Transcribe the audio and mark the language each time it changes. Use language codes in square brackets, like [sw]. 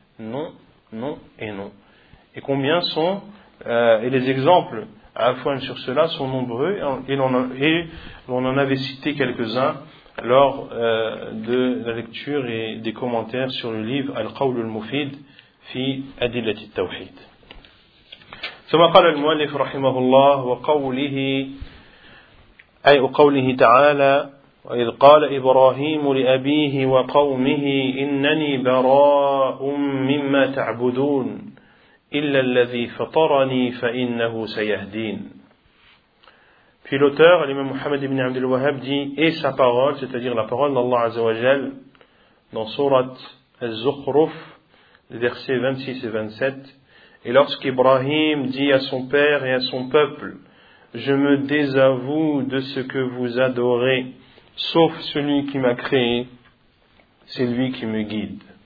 [fr] Non, non et non. Et combien sont, et les exemples à la fois sur cela sont nombreux, et l'on en avait cité quelques-uns lors de la lecture et des commentaires sur le livre Al-Qawl al-Mufid fi Adillati al-Tawhid. [ar] ثم قال المؤلف رحمه الله وقوله أي قوله تعالى وإذ قال إبراهيم لأبيه وقومه إنني براء مما تعبدون إلا الذي فطرني فإنه سيهدين. [fr] Puis l'auteur, l'imam Mohammed ibn Abdul Wahhab, dit: et sa parole, c'est-à-dire la parole d'Allah Azza wa Jal dans sourate Az-Zukhruf, versets 26 et 27. Et lorsqu'Ibrahim dit à son père et à son peuple, je me désavoue de ce que vous adorez, sauf celui qui m'a créé, c'est lui qui me guide.